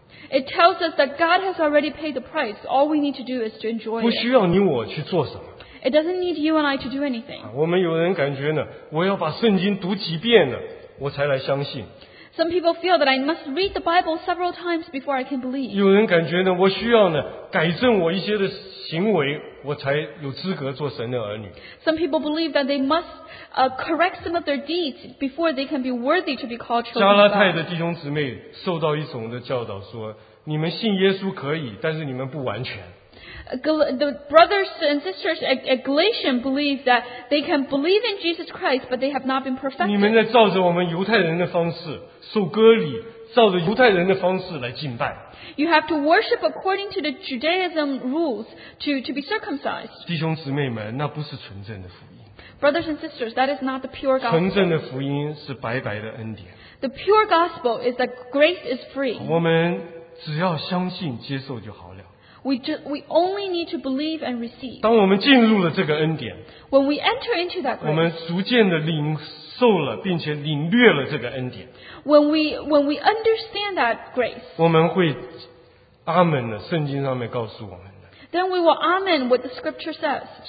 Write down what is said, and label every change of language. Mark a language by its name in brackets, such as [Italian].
[English] It tells us that God has already paid the price. All we need to do is to enjoy it. [Chinese] 不需要你我去做什么。 [English] It doesn't need you and I to do anything. [Chinese] 我们有人感觉呢, 我要把圣经读几遍了, 我才来相信。 [English] Some people feel that I must read the Bible several times before I can believe. [Chinese] 有人感觉呢, 我需要呢, 改正我一些的行为, 我才有资格做神的儿女。 [English] Some people believe that they must correct some of their deeds before they can be worthy to be called children. [Chinese] 加拉太的弟兄姊妹 受到一种的教导, 说, 你们信耶稣可以, 但是你们不完全。 [English] The brothers and sisters at Galatians believe that they can believe in Jesus Christ, but they have not been perfected. [Chinese] 你们在照着我们犹太人的方式受割礼, 照着犹太人的方式来敬拜。 [English] You have to worship according to the Judaism rules to be circumcised. [Chinese] 弟兄姊妹们, 那不是纯正的福音。 [English] Brothers and sisters, that is not the pure gospel. [Chinese] 纯正的福音是白白的恩典。 [English] The pure gospel is that grace is free. [Chinese] 我们只要相信, 接受就好了。 [English] We only need to believe and receive. [Chinese] 当我们进入了这个恩典, [English] when we enter into that grace, [Chinese] 我们逐渐地领受了, 并且领略了这个恩典, [English] when we understand that grace, [Chinese] 我们会阿们的, 圣经上面告诉我们的, [English] then we will amen what the scripture says.